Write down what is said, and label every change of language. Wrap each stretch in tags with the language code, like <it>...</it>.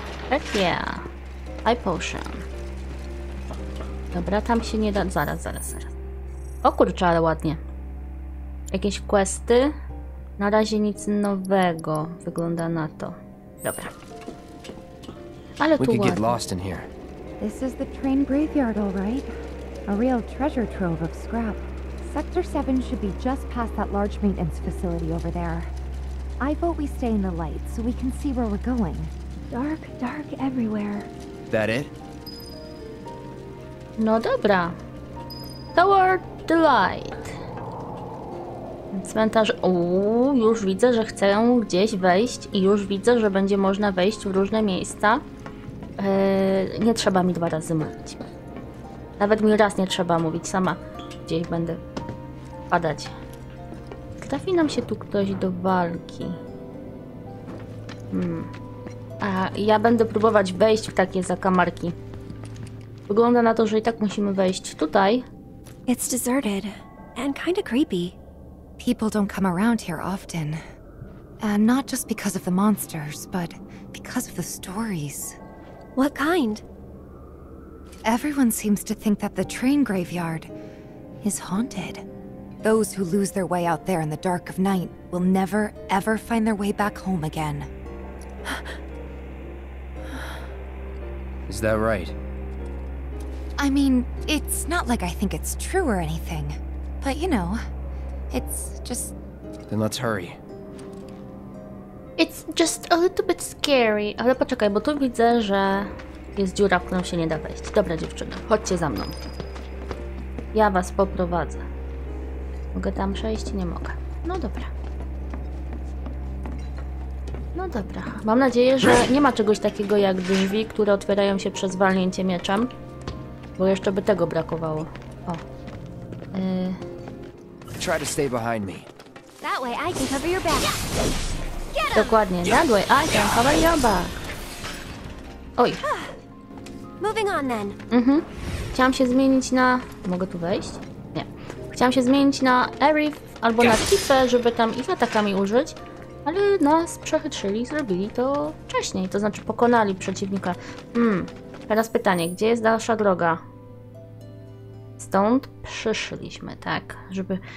<en>Heck yeah! Eye potion.</en> <pl>Dobra, tam się nie da... Zaraz. O kurczę, ale ładnie. Jakieś questy? Na razie nic nowego wygląda na to. Dobra. Ale tu ładnie.</pl> <en>This is the train graveyard, all right? A real treasure trove of scrap. Sector 7 should be just past that large maintenance facility over there. I vote we stay in the light so we can see where we're going. Dark, dark everywhere. That it?</en> <pl>No dobra.</pl> <en>Toward the light.</en> <pl>Cmentarz... Uuu, już widzę, że chcę gdzieś wejść i już widzę, że będzie można wejść w różne miejsca. Nie trzeba mi dwa razy mówić. Nawet mi raz nie trzeba mówić, sama gdzieś będę padać. Trafi nam się tu ktoś do walki. A ja będę próbować wejść w takie zakamarki. Wygląda na to, że i tak musimy wejść tutaj.</pl> <en>It's deserted and kind of creepy. People don't come around here often. And not just because of the monsters, but because of the stories. What kind? Everyone seems to think that the train graveyard is haunted. Those who lose their way out there in the dark of night will never, ever find their way back home again. Is that right? I mean, it's not like I think it's true or anything, but you know, it's just... Then let's hurry. It's just a little bit scary,</en> <pl>ale poczekaj, bo tu widzę, że jest dziura, w którą się nie da wejść. Dobra dziewczyny, chodźcie za mną. Ja was poprowadzę. Mogę tam przejść? Nie mogę. No dobra. No dobra. Mam nadzieję, że nie ma czegoś takiego jak drzwi, które otwierają się przez walnięcie mieczem. Bo jeszcze by tego brakowało. O.</pl> <en>Try to stay behind me. That way I can cover your back.</en> <pl>Dokładnie.</pl> <en>That way I can cover your back.</en> <pl>Oj.</pl> <en>Moving on then. Mhm.</en> <pl>Chciałam się zmienić na... Mogę tu wejść? Nie. Chciałam się zmienić na Arif albo na Tifę, żeby tam ich atakami użyć. Ale nas przechytrzyli i zrobili to wcześniej. To znaczy pokonali przeciwnika. Teraz pytanie, gdzie jest dalsza droga? Stąd przyszliśmy, tak? Żeby...</pl>